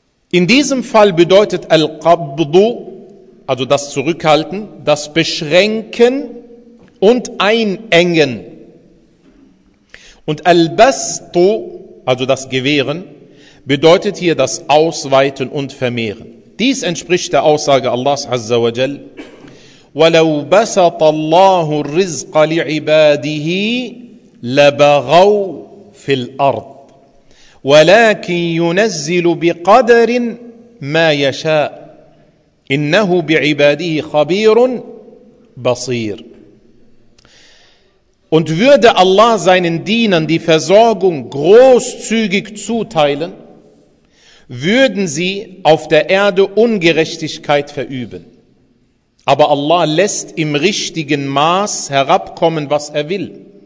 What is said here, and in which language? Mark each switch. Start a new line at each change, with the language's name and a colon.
German: In diesem Fall bedeutet Al-Qabdu, also das Zurückhalten, das Beschränken und Einengen. Und Al-Bastu, also das Gewähren, bedeutet hier das Ausweiten und Vermehren. Dies entspricht der Aussage Allahs Azza wa Jal.
Arabic: وَلَوْ بَسَطَ اللَّهُ الرِّزْقَ لِعِبَادِهِ لَبَغَوْ فِي الْأَرْضِ ولكن ينزل بقدر ما يشاء إنه بعباده خبير بصير.
German: Und würde Allah seinen Dienern die Versorgung großzügig zuteilen, würden sie auf der Erde Ungerechtigkeit verüben. Aber Allah lässt im richtigen Maß herabkommen, was er will.